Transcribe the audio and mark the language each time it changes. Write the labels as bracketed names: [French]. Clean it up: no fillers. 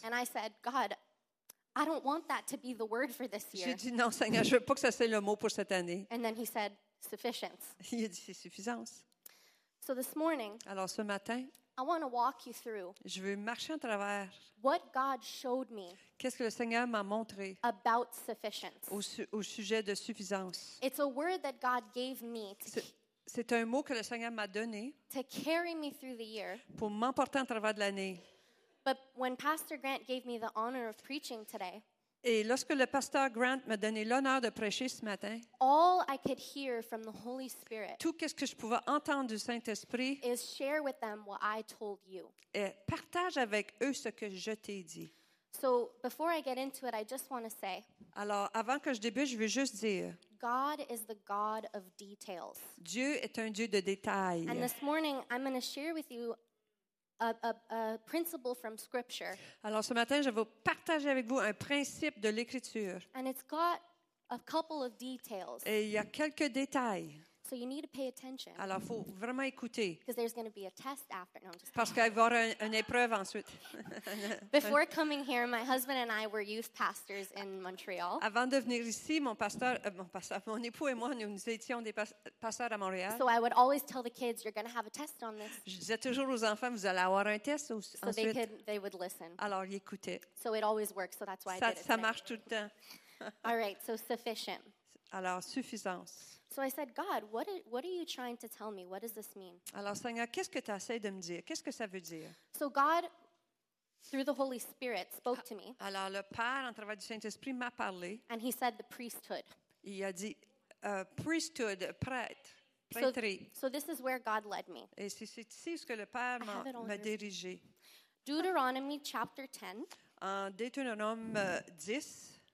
[English] And I said, God, I don't want that to be the word for this year. [French] J'ai dit non, Seigneur, je veux pas que ça soit le mot pour cette année. [English] And then he said sufficient. [French] Il a dit c'est suffisance. [English] So this morning. [French] Alors ce matin. [English] I want to walk you through. [French] Je veux marcher en travers. [English] What God showed me. [French] Qu'est-ce que le Seigneur m'a montré. [English] About sufficient. [French] Au sujet de suffisance. [English] It's a word that God gave me to. [French] C'est un mot que le Seigneur m'a donné [English] to carry me through the year, [French] pour m'emporter en travers de l'année. [English] But when Pastor Grant gave me the honor of preaching today, [French] Et lorsque le pasteur Grant m'a donné l'honneur de prêcher ce matin, [English] all I could hear from the Holy Spirit, [French] tout ce que je pouvais entendre du Saint-Esprit, [English] is share with them what I told you. [French] Et partage avec eux ce que je t'ai dit. [English] So before I get into it, I just want to say, [French] alors avant que je débute, je veux juste dire, [English] God is the God of details. [French] Dieu est un Dieu de détails. [English] And this morning, I'm going to share with you a principle from Scripture. [French] Alors ce matin, je vais partager avec vous un principe de l'Écriture. [English] And it's got a couple of details. [French] Et il y a quelques détails. [English] So you need to pay attention. [French] Alors faut vraiment écouter. [English] Because there's going to be a test after. No, I'm just [French] parce qu'il va y avoir une épreuve ensuite. [English] Before coming here, my husband and I were youth pastors in Montreal. [French] Avant de venir ici, mon époux et moi, nous étions des pasteurs à Montréal. [English] So I would always tell the kids, you're going to have a test on this. [French] Je disais toujours aux enfants, vous allez avoir un test ensuite. [English] So they would listen. [French] Alors ils écoutaient. [English] So it always works. So that's why [French] ça, [English] I did it. [French] Ça marche tout le temps. [English] All right. So sufficient. [French] Alors suffisance. [English] So I said, God, what are you trying to tell me? What does this mean? [French] Alors, Seigneur, qu'est-ce que tu essaies de me dire? Qu'est-ce que ça veut dire? [English] So God, through the Holy Spirit, spoke to me. [French] Alors, le Père, en travers du Saint-Esprit, m'a parlé. [English] And he said the priesthood. [French] Il a dit, priesthood, prêtre, prêtrie. [English] So this is where God led me. [French] Et c'est ici ce que le Père m'a dirigé. [English] Deuteronomy chapter 10. [French] En Deuteronome 10.